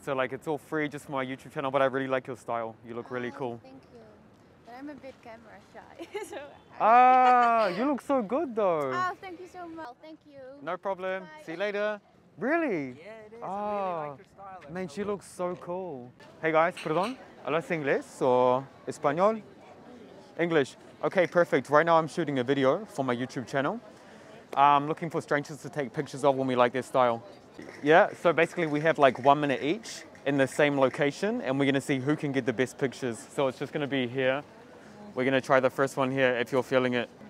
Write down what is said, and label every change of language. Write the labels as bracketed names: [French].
[English] So like, it's all free just for my YouTube channel, but I really like your style. You look really cool. I'm a bit camera shy, so... you look so good though. Oh, thank you so much. Thank you. No problem. Bye. See you later. Really? Yeah, it is. Oh, I really like your style. Man, she looks so cool. Hey guys, perdón. [Spanish] ¿Hablas inglés [English] or [Spanish] español? [English] English. Okay, perfect. Right now I'm shooting a video for my YouTube channel. I'm looking for strangers to take pictures of when we like their style. Yeah, so basically we have like 1 minute each in the same location, and we're gonna see who can get the best pictures. So it's just gonna be here. We're gonna try the first one here, if you're feeling it.